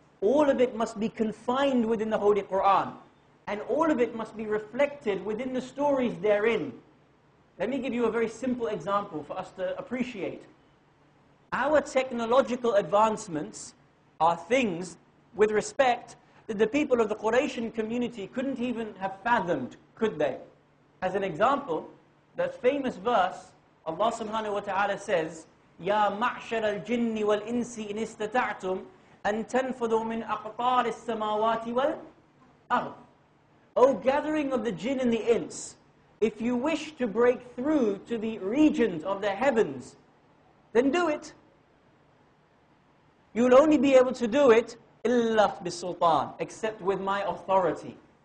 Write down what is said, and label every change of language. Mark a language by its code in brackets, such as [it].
[en] All of it must be confined within the Holy Quran. And all of it must be reflected within the stories therein. Let me give you a very simple example for us to appreciate. Our technological advancements are things, with respect, that the people of the Quraysh community couldn't even have fathomed, could they? As an example, that famous verse, Allah subhanahu wa ta'ala says, [ar] يَا مَعْشَرَ الْجِنِّ وَالْإِنسِ إِنِ اسْتَتَعْتُمْ أَن تَنْفُذُوا مِنْ أَقْطَارِ السَّمَاوَاتِ وَالْأَرْضِ. [en] O gathering of the jinn and the ins, if you wish to break through to the regions of the heavens, then do it. You'll only be able to do it illa bisultan, except with my authority.